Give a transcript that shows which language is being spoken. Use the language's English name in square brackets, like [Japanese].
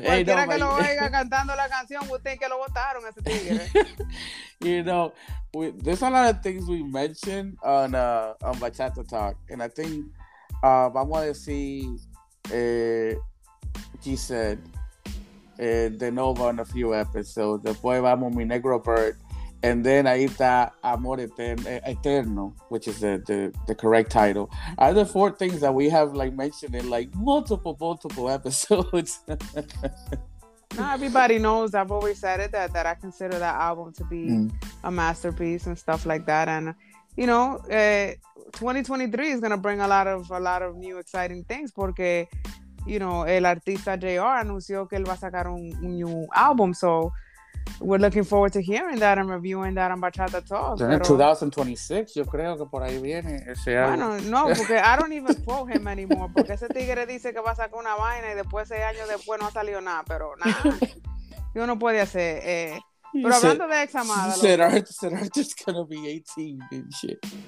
[Spanish] cualquiera que lo oiga cantando la canción, usted que lo botaron ese tigre. [English] You know, there's a lot of things we mentioned on Bachata Talk, and I think [Spanish] vamos a decir Giselle de nuevo en [English] a few episodes. [Spanish] Después vamos mi [English] Negro Bird, and then [Spanish] ahí está [English] Amor Eterno, which is the correct title. Are the four things that we have like mentioned in like multiple episodes. Not everybody knows. I've always said it that I consider that album to be a masterpiece and stuff like that. And you know, 2023 is gonna bring a lot of new exciting things. [Spanish] Porque, [English] you know, [Spanish] el artista JR anunció que él va a sacar un [English] new album. So we're looking forward to hearing that and reviewing that on Bachata Talk. [Spanish] In 2026, yo creo que por ahí viene ese año. Bueno, no, porque [English] I don't even quote him anymore, [Spanish] porque ese tigre dice que va a sacar una vaina y después 6 años después no ha salido nada, pero nada. Yo no puede hacer. Pero hablando de Ex Amada. [English] Said just gonna be 18 and shit.